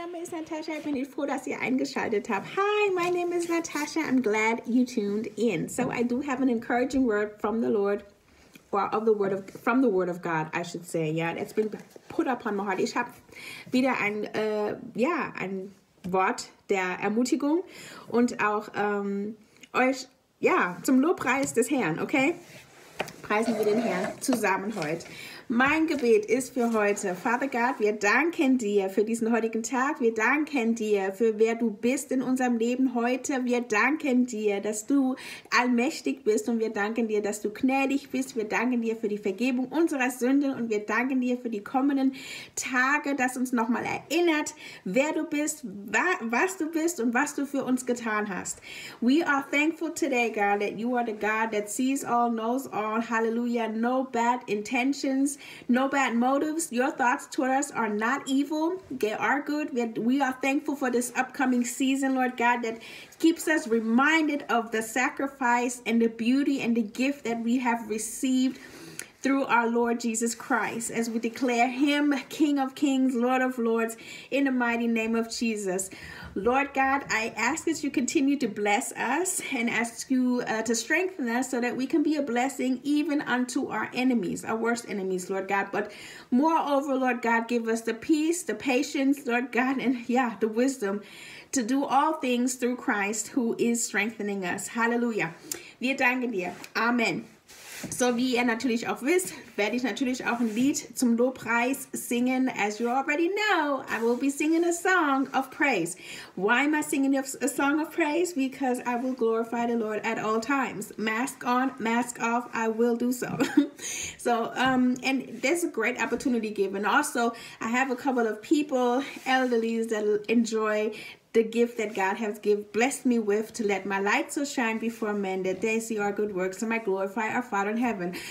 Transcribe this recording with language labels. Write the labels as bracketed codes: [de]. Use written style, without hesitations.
[de] Natascha, ich bin froh, dass ihr eingeschaltet habt. [en] Hi, my name is Natascha. I'm glad you tuned in. So I do have an encouraging word from the Lord, or of the word of from the word of God, I should say. Yeah, it's been put upon my heart. [de] Ich habe wieder ein ein Wort der Ermutigung und auch euch zum Lobpreis des Herrn. Okay, preisen wir den Herrn zusammen heute. Mein Gebet ist für heute. Father God, wir danken dir für diesen heutigen Tag. Wir danken dir für wer du bist in unserem Leben heute. Wir danken dir, dass du allmächtig bist und wir danken dir, dass du gnädig bist. Wir danken dir für die Vergebung unserer Sünden und wir danken dir für die kommenden Tage, dass uns nochmal erinnert, wer du bist, was du bist und was du für uns getan hast. [en] We are thankful today, God, that you are the God that sees all, knows all. Hallelujah. No bad intentions. No bad motives. Your thoughts toward us are not evil. They are good. We are thankful for this upcoming season, Lord God, that keeps us reminded of the sacrifice and the beauty and the gift that we have received through our Lord Jesus Christ, as we declare him King of Kings, Lord of Lords, in the mighty name of Jesus. Lord God, I ask that you continue to bless us and ask you to strengthen us so that we can be a blessing even unto our enemies, our worst enemies, Lord God. But moreover, Lord God, give us the peace, the patience, Lord God, and the wisdom to do all things through Christ who is strengthening us. [de] Hallelujah. Wir danken dir. Amen. So wie ihr natürlich auch wisst, werde ich natürlich auch ein Lied zum Lobpreis singen. [en] As you already know, I will be singing a song of praise. Why am I singing a song of praise? Because I will glorify the Lord at all times. Mask on, mask off, I will do so. So, and there's a great opportunity given. Also, I have a couple of people, elderlies, that enjoy the gift that God has blessed me with to let my light so shine before men that they see our good works and might glorify our Father in heaven.